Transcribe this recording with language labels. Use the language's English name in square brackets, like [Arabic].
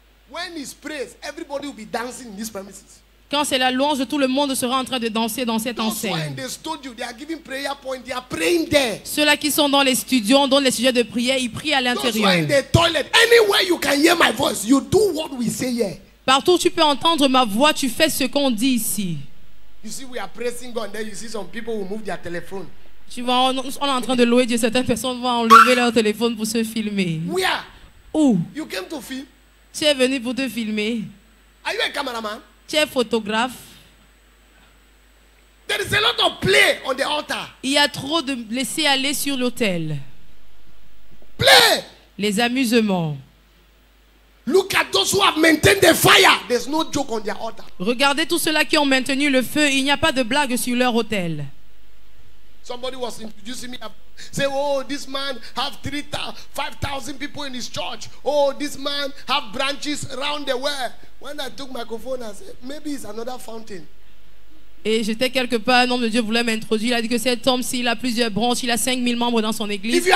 [English] When he prays, everybody will be dancing in this premises. [French] Quand c'est la louange, tout le monde sera en train de danser dans cette enceinte. [English] In the studio, they are giving prayer point, they are praying there. [French] Ceux-là qui sont dans les studios, on donne les sujets de prière, ils prient à l'intérieur. [English] In the toilet, anywhere you can hear my voice, you do what we say here. [French] Partout tu peux entendre ma voix, tu fais ce qu'on dit ici. [English] You see, we are praising God, then you see some people who move their telephone. [French] Tu vois, on est en train de louer Dieu, certaines personnes vont enlever leur téléphone pour se filmer. [English] Where? [French] Où? [English] You came to film? [French] Tu es venu pour te filmer. [English] Are you a cameraman? [French] Tu es photographe. [English] There is a lot of play on the altar. [French] Il y a trop de laisser aller sur l'autel. [English] Play. [French] Les amusements. [English] Look at those who have maintained the fire. There's no joke on their altar. [French] Regardez tous ceux-là qui ont maintenu le feu. Il n'y a pas de blague sur leur autel. [English] Somebody was introducing me. Say, oh, this man have 3,000, 5,000 people in his church. Oh, this man have branches around the world. When I took microphone, I said, maybe it's another fountain. [French] Et j'étais quelque part, un homme de Dieu voulait m'introduire. Il a dit que cet homme, s'il a plusieurs branches, il a 5000 membres dans son église.